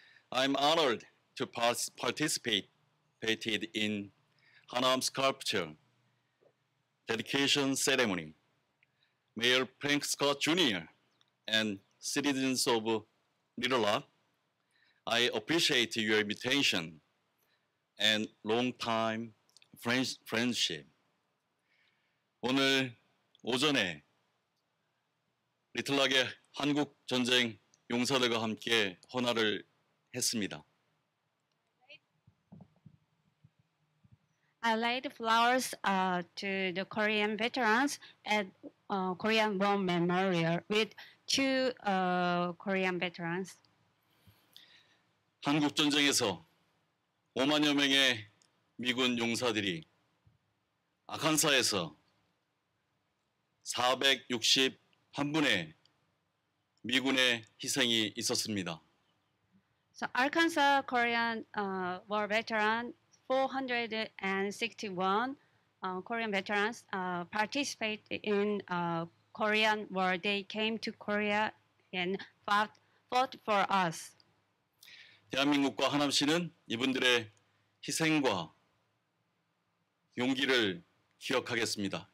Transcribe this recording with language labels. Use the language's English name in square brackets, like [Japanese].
[English] I'm honored to participate in Hanam Sculpture Dedication Ceremony. Mayor Frank Scott Jr. and citizens of Little Rock, I appreciate your invitation and long-time friendship. [Korean] 오늘 오전에 리틀락의 한국 전쟁 용사들과 함께 헌화를 했습니다. [English] I laid flowers to the Korean veterans at Korean War Memorial with two Korean veterans. [Korean] 한국 전쟁에서 5만여 명의 미군 용사들이 아칸사에서 461분의 미군의 희생이 있었습니다. [English] So Arkansas Korean war veteran 461 Korean veterans participate in Korean war. They came to Korea and fought for us. [Korean] 대한민국과 하남시는 이분들의 희생과 용기를 기억하겠습니다.